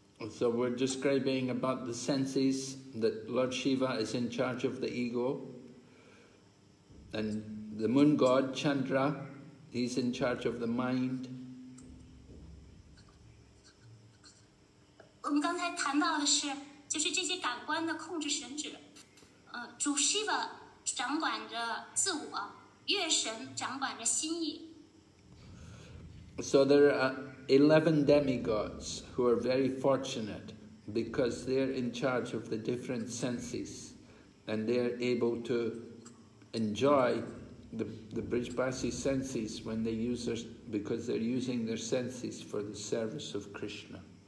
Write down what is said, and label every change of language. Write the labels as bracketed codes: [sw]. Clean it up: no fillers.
[en] So we're describing about the senses, that Lord Shiva is in charge of the ego, and the moon god Chandra, he's in charge of the mind. [zh] 我们刚才谈到的是，就是这些感官的控制神智。主 Shiva掌管着自我，月神掌管着心意。 [en] So there are 11 demigods who are very fortunate because they're in charge of the different senses, and they're able to enjoy the Brijbasi senses when they use their, because they're using their senses for the service of Krishna.